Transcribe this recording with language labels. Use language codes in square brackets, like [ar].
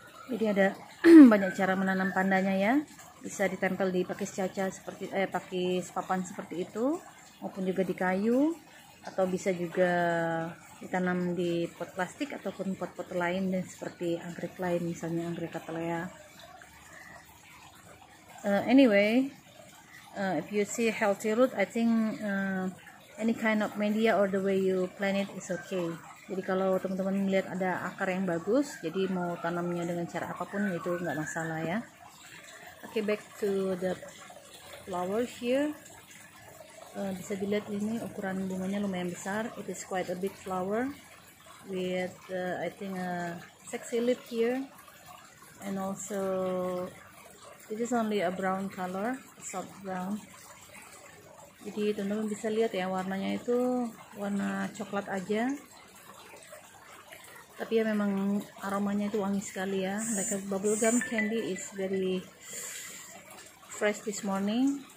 [id] Jadi ada banyak cara menanam pandanya ya, bisa ditempel di pakis caca seperti pakis papan seperti itu, maupun juga di kayu, atau bisa juga ditanam di pot plastik ataupun pot-pot lain, dan seperti anggrek lain, misalnya anggrek Cattleya. [en] Anyway, if you see healthy root, I think any kind of media or the way you plant it is okay. [id] Jadi kalau teman-teman melihat ada akar yang bagus, jadi mau tanamnya dengan cara apapun itu nggak masalah ya. [en] Okay, back to the flower here. [id] Bisa dilihat ini ukuran bunganya lumayan besar. [en] It is quite a big flower with I think a sexy leaf here, and also this is only a brown color, soft brown. [id] Jadi teman-teman bisa lihat ya, warnanya itu warna coklat aja, tapi ya memang aromanya itu wangi sekali ya, [en] like a bubblegum candy is very fresh this morning.